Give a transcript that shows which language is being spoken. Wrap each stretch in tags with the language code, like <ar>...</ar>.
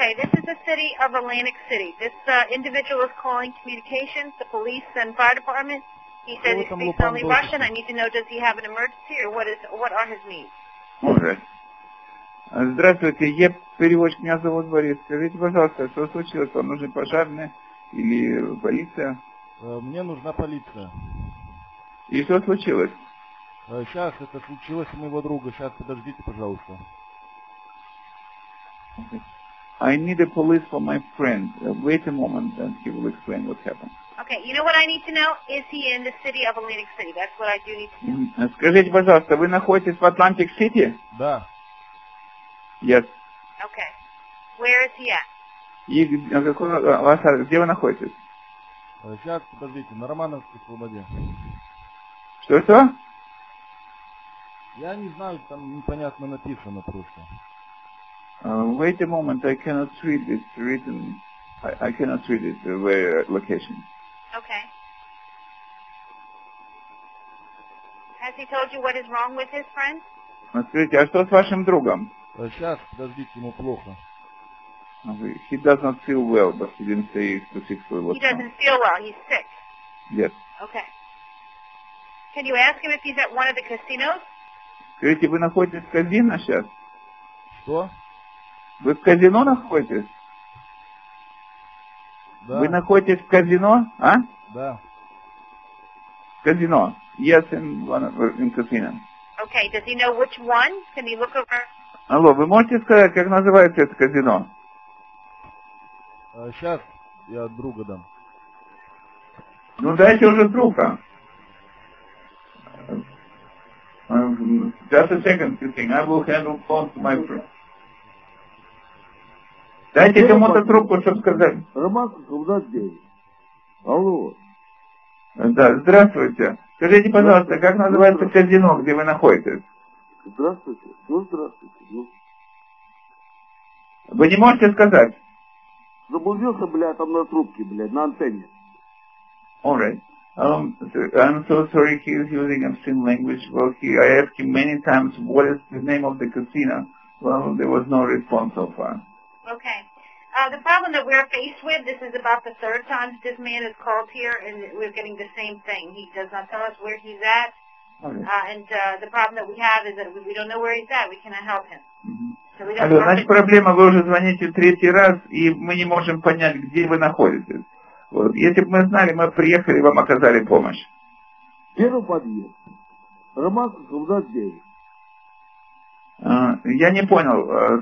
<en>Okay, this is the city of Atlantic City. This individual is calling communications, the police and fire department. He says he speaks only Russian. I need to know, does he have an emergency or what are his needs? Okay.</en> <ru>Здравствуйте, я переводчик, меня зовут Борис. Скажите, пожалуйста, что случилось? Вам нужны пожарные или полиция? Мне нужна полиция. И что случилось? Сейчас это случилось у моего друга. Сейчас подождите, пожалуйста.</ru> <en>I need a police for my friend. Wait a moment and he will explain what happened. Okay, you know what I need to know? Is he in the city of Atlantic City? That's what I do need to know.</en> <ru>Скажите, пожалуйста, вы находитесь в Atlantic City? Да.</ru> <en>Yes. Okay. Where is he at?</en> <ru>И какой ваш адрес? Где вы находитесь? Сейчас, подождите, на Романовской свободе. Что? Я не знаю, там непонятно написано просто.</ru> <en>Wait a moment. I cannot read this written. I cannot read it. Where location? Okay. Has he told you what is wrong with his friend?</en> <ru>Скажите, а что с вашим другом? Сейчас, подождите, ему плохо.</ru> <en>He does not feel well, but he didn't say specifically what. He doesn't feel well. He's sick. Yes. Okay. Can you ask him if he's at one of the casinos?</en> <ru>Скажите, вы находитесь в казино сейчас? Что? Вы в казино находитесь? Да. Вы находитесь в казино, а? Да.</ru> <en>Казино. Yes, in casino. Okay, does he know which one? Can he look over?</en> <ru>Алло, вы можете сказать, как называется это казино? Сейчас я друга дам. Ну дайте уже друга.</ru> <en>Just a second, you think. I will handle phone to my friend.</en> <ru>Дайте кому-то трубку, чтобы сказать. Романов, куда здесь? Алло. Да, здравствуйте. Скажите, пожалуйста, как называется казино, где вы находитесь? Здравствуйте. Ну, здравствуйте. Ну. Вы не можете сказать? Заблудился, блядь, там на трубке, блядь, на антенне.</ru> <en>All right. I'm so sorry he is using obscene language. Well, I asked him many times what is the name of the casino. Well, there was no response so far. Okay. The problem that we're faced with, this is about the third time this man has called here, and we're getting the same thing. He does not tell us where he's at. Okay. The problem that we have is that we don't know where he's at. We cannot help him. Mm-hmm.</en> <ru>So значит, проблема, вы уже звоните третий раз, и мы не можем понять, где вы находитесь. Вот. Если бы мы знали, мы приехали, вам оказали помощь. Первый подъезд. Роман, куда здесь? Я не понял.</ru>